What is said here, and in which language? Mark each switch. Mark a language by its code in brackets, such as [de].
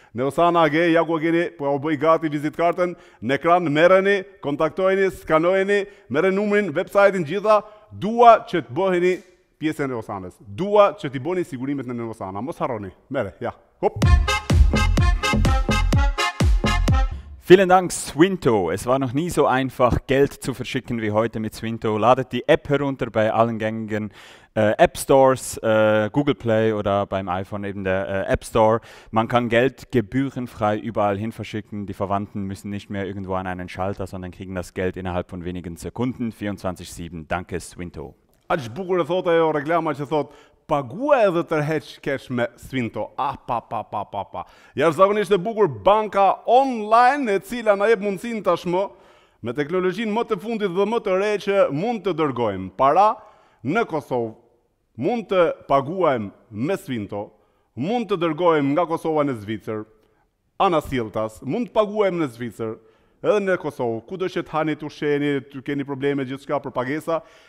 [sq] Neosana, age, ja ku ageni, po ja u bëj gati vizitkartën, në ekran, mereni, kontaktojeni, skanojeni, mere numrin, website-in gjitha, dua që të bëheni pjesën e Neosanës, dua që t'i bëni sigurimet në Neosana, mos harroni, mere, ja, hop! [de] Vielen Dank, Swinto. Es war noch nie so einfach, Geld zu verschicken wie heute mit Swinto. Ladet die App herunter bei allen gängigen App Stores, Google Play oder beim iPhone eben der App Store. Man kann Geld gebührenfrei überall hin verschicken. Die Verwandten müssen nicht mehr irgendwo an einen Schalter, sondern kriegen das Geld innerhalb von wenigen Sekunden. 24/7. Danke, Swinto. [sq] Aq bukur e thot ajo reklama që thot, pagua edhe tërheq cash me Swinto. Pa. Jashtëzakonisht e bukur banka online e cila na jep mundësinë tashmë me teknologjinë më të fundit dhe më të re që mund të dërgojmë para në Kosovë, mund të paguajmë me Swinto, mund të dërgojmë nga Kosova në Zvicër, anasjelltas, mund të paguajmë në Zvicër, edhe në Kosovë, kudo që të hani, të ushqeni, të keni probleme gjithçka për pagesa.